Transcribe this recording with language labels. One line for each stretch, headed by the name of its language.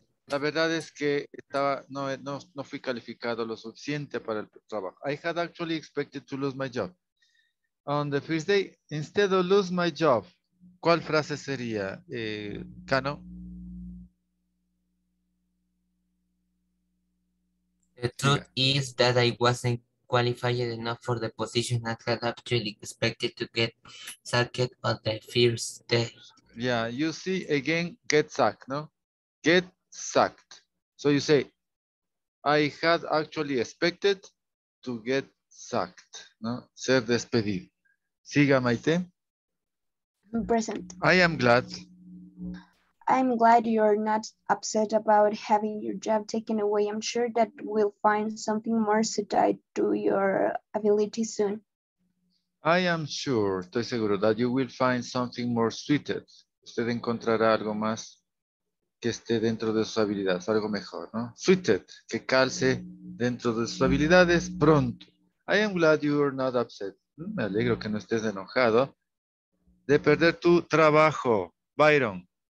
Spanish: La verdad es que no fui calificado lo suficiente para el trabajo.
English: I had actually expected to lose my job on the first day. Instead of lose my job,
Spanish: ¿cuál frase sería, Cano?
English: The truth is that I wasn't qualified enough for the position I had actually expected to get sacked on the first day. Yeah, you see again, get sacked, no? Get sacked. So you say, I had actually expected to get sacked, no?
Spanish: Ser despedido. Siga, Maite.
English: Present. I'm glad you're not upset about having your job taken away. I'm sure that we'll find something more suited to your ability soon. I am sure,
Spanish: estoy seguro,
English: that you will find something more suited.
Spanish: Usted encontrará algo más que esté dentro de sus habilidades, algo mejor, ¿no?
English: Suited,
Spanish: que calce dentro de sus habilidades pronto.
English: I am glad you're not upset.
Spanish: Me alegro que no estés enojado de perder tu trabajo, Byron.